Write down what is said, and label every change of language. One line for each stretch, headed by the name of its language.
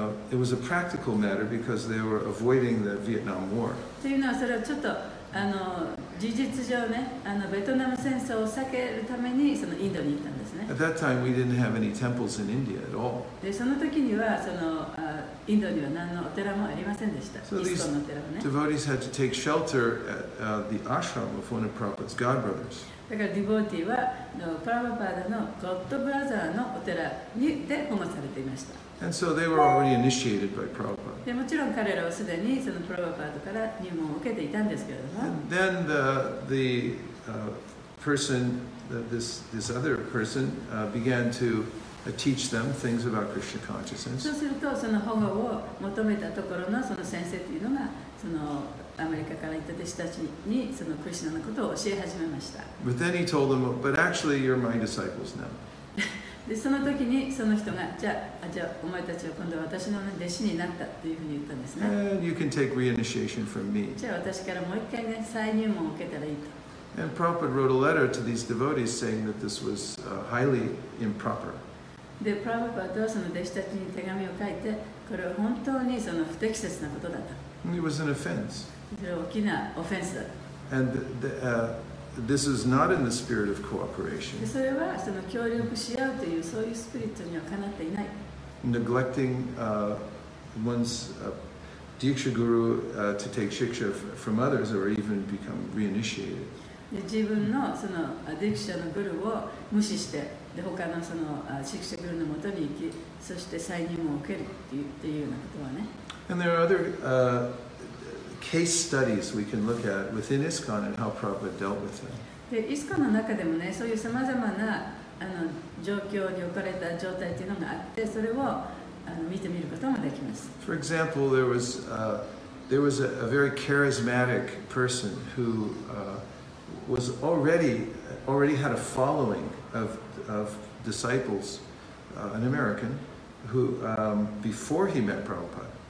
English: It was a practical matter because they were avoiding the Vietnam War.
Japanese: というのはそれはちょっと。あの事実上ね、あのベトナム戦争を避けるためにそのインドに行ったんですね。
English: At that time, we didn't have any temples in India at all.
Japanese: で、その時にはそのインドには何のお寺もありませんでした。
English: So these devotees had to take shelter at the ashram of one of Prabhupada's god brothers.
Japanese: だからディボーティーはプラヴァパーダのゴッドブラザーのお寺にで保護されていました。
English: And so they were already initiated by Prabhupada.
Japanese: もちろん彼らはすでにそのプラヴァパーダから入門を受けていたんですけれども。
English: And then the person, this other person, began to teach them things about Krishna consciousness.
Japanese: そうするとその保護を求めたところのその先生というのがそのアメリカから行った弟子たちにそのクリシナのことを教え始めました。
English: But then he told them, but actually you're my disciples now.
Japanese: でその時にその人がじゃあお前たちは今度は私の弟子になったというふうに言ったんですね。
English: And you can take re-initiation from me.
Japanese: じゃあ私からもう一回ね再入門を受けたらいいと。
English: And Prabhupada wrote a letter to these devotees saying that this was highly improper.
Japanese: でプラヴァパーダはその弟子たちに手紙を書いてこれは本当にその不適切なことだと。
English: It was an offense.
Japanese: それは大きなオフェンスだと。
English: And the This is not in the spirit of cooperation.
Japanese: それはその協力し合うというそういうスピリットにはかなっていない。
English: Neglecting one's Diksha Guru to take Shiksha from others or even become reinitiated.
Japanese: 自分のそのDiksha のグルを無視して、で他のそのShiksha Guruのもとに行き、そして再任務を受けるっていうようなことはね。
English: And there are other case studies we can look at within ISKCON and how Prabhupada dealt with them.
Japanese: で、ISKCON の中でもね、そういうさまざまなあの状況に置かれた状態というのがあって、それをあの見てみることもできます。
English: For example, there was a very charismatic person who was already had a following of disciples, an American, who before he met Prabhupada.